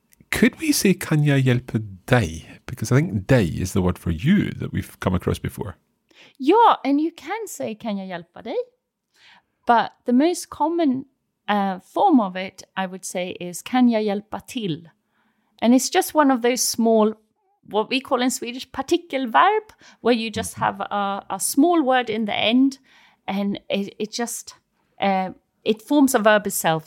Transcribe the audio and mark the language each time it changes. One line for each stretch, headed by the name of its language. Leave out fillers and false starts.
English: Could we say
Swedish: kan jag hjälpa dig?
English: Because I think dig is the word for you that we've come across before.
Swedish: Ja,
English: and you can say
Swedish: kan jag hjälpa dig.
English: But the most common form of it, I would say, is
Swedish: kan jag hjälpa till?
English: And it's just one of those small, what we call in Swedish, partikelverb, where you just have a small word in the end, and it forms a verb itself.